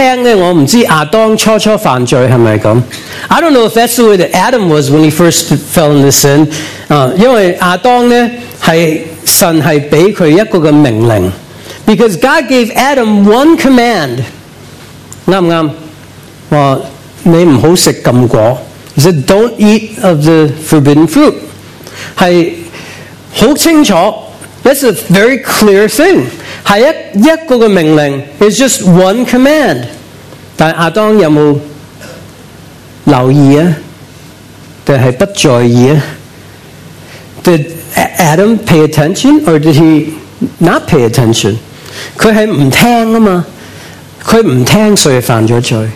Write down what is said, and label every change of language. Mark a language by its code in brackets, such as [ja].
[zh] 如果说到不听，我不知道亚当初犯罪是不是这样。 [en] I don't know if that's the way that Adam was when he first fell into sin, [zh] 因为亚当呢，神是给他一个命令。 [en] Because God gave Adam one command. [zh] 对不对？说你不要吃禁果。 [en] He said, don't eat of the forbidden fruit. [zh] 是很清楚。 [en] That's a very clear thing. [zh] 是一个命令。 [en] It's just one command. [zh] 但亚当有没有留意啊？还是不在意啊？ [en] Did Adam pay attention or did he not pay attention? [zh] 他是不听的嘛，他不听，所以犯了罪。